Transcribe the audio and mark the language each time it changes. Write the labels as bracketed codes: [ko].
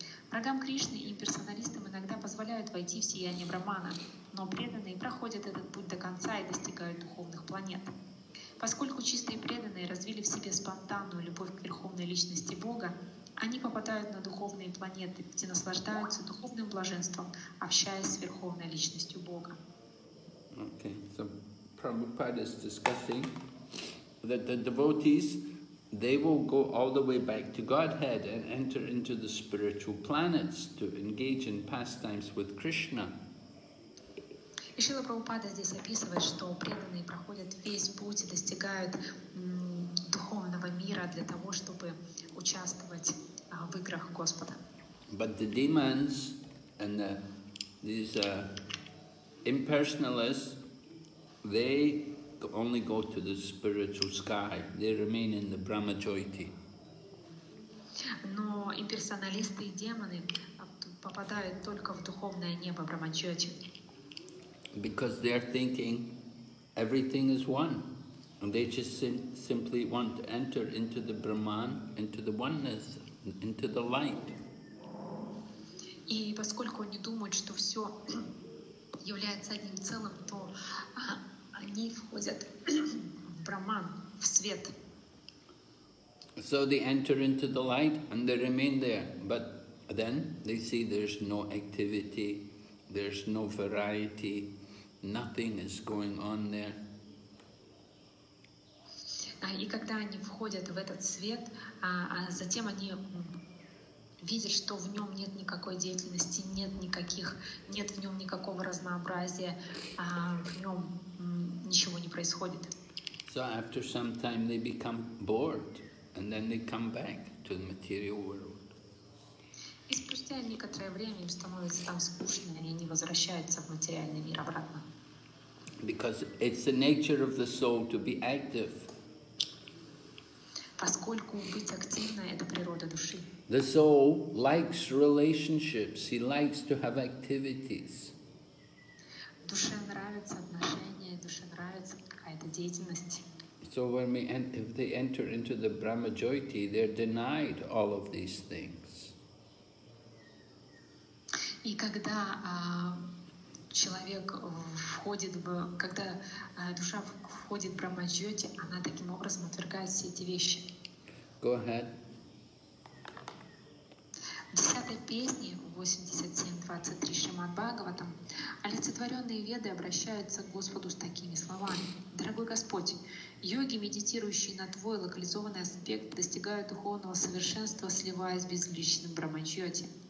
[ru] Врагам Кришны и имперсоналистам иногда позволяют войти в сияние Брахмана, но преданные проходят этот путь до конца и достигают духовных планет. Поскольку чистые преданные развили в себе спонтанную любовь к Верховной Личности Бога, они попадают на духовные планеты, где наслаждаются духовным блаженством, общаясь с Верховной Личностью Бога. [en] Okay, so Prabhupada is discussing that the devotees, they will go all the way back to Godhead and enter into the spiritual planets to engage in pastimes with Krishna. [ru] И Шрила Прабхупада здесь описывает, что преданные проходят весь путь и достигают духовного мира для того, чтобы участвовать в играх Господа. [en] But the demons and these impersonalists, they only go to the spiritual sky. They remain in the Brahmajyoti. [ru] Но имперсоналисты и демоны попадают только в духовное небо Брахмачёти. [en] Because they are thinking everything is one, and they just simply want to enter into the Brahman, into the oneness, into the light. [ru] И поскольку они думают, что все является одним целым, то они входят в Брахман, в свет. [en] So they enter into the light and they remain there, but then they see there's no activity, there's no variety. Nothing is going on there. [ru] И когда они входят в этот свет, затем они видят, что в нем нет никакой деятельности, нет в нем никакого разнообразия, в нем ничего не происходит. [en] So after some time they become bored, and then they come back to the material world. [ru] И спустя некоторое время им становится там скучно, и они возвращаются в материальный мир обратно. [en] Because it's the nature of the soul to be active. [ru] Поскольку быть активной — это природа души. [en] The soul likes relationships. He likes to have activities. [ru] Душе нравятся отношения, душе нравится какая-то деятельность. [en] So when we if they enter into the Brahmajyoti, they're denied all of these things. [ru] И когда человек входит в, когда душа входит в Брахмачёти, она таким образом отвергает все эти вещи. [en] Go ahead. [ru] В 10 песне 87.23 Шримад Бхагаватам олицетворенные веды обращаются к Господу с такими словами: «Дорогой Господь, йоги, медитирующие на Твой локализованный аспект, достигают духовного совершенства, сливаясь с безличным Брахмачёти.